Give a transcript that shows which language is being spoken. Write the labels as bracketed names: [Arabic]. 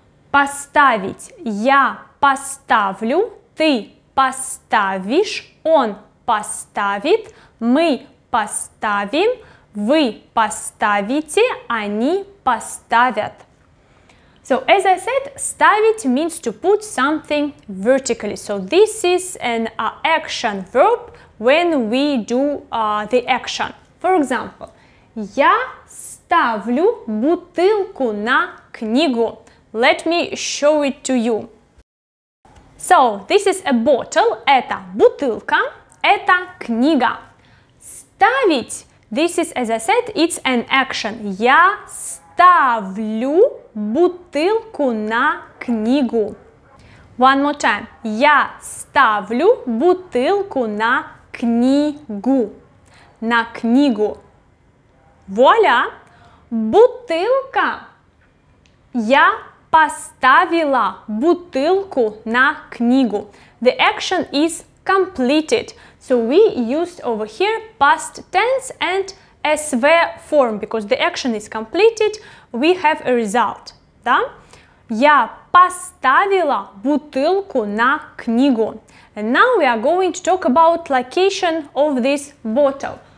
[Russian] Поставить. Я поставлю, ты поставишь, он поставит, мы поставим, вы поставите, они поставят. [English] So, as I said, ставить means to put something vertically. So, this is an action verb when we do the action. For example, [Russian] я ставлю бутылку на книгу. [English] Let me show it to you. So, this is a bottle. [Russian] Это бутылка. Это книга. Ставить. [English] This is, as I said, it's an action. [Russian] Я ставлю бутылку на книгу. [English] One more time. [Russian] Я ставлю бутылку на книгу. На книгу. Вуаля! Бутылка! Я поставила бутылку на книгу. [English] The action is completed. So we used over here past tense and SV form, because the action is completed, we have a result. [Russian] Да? Я поставила бутылку на книгу. [English] And now we are going to talk about location of this bottle.